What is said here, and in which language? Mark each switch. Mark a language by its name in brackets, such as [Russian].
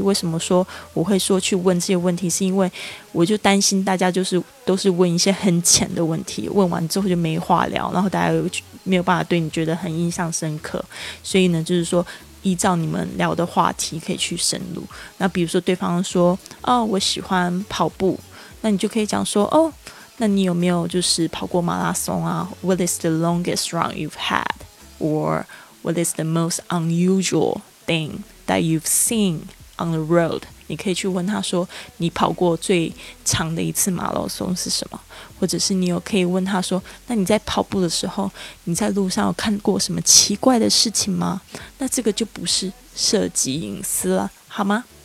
[Chinese] 为什么说我会说去问这些问题，是因为我就担心大家就是都是问一些很浅的问题，问完之后就没话聊，然后大家又没有办法对你觉得很印象深刻，所以呢就是说依照你们聊的话题可以去深入。那比如说对方说哦我喜欢跑步，那你就可以讲说哦那你有没有就是跑过马拉松啊？ [English] What is the longest run you've had? Or what is the most unusual thing that you've seen on the road? [Chinese] 你可以去问他说你跑过最长的一次马拉松是什么，或者是你有可以问他说那你在跑步的时候你在路上有看过什么奇怪的事情吗？那这个就不是涉及隐私了好吗？